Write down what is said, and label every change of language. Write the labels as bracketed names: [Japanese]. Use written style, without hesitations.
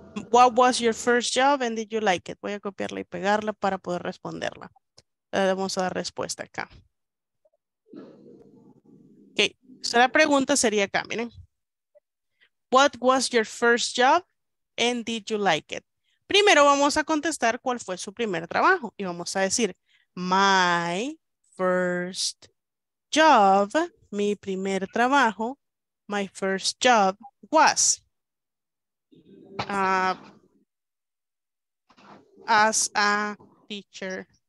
[English] What was your first job and did you like it? [Spanish] Voy a copiarla y pegarla para poder responderla. Vamos a dar respuesta acá. Ok, so, la pregunta sería acá, miren. [English] What was your first job and did you like it? [Spanish] Primero vamos a contestar cuál fue su primer trabajo y vamos a decir my first job, mi primer trabajo, [English] my first job was as a teacher.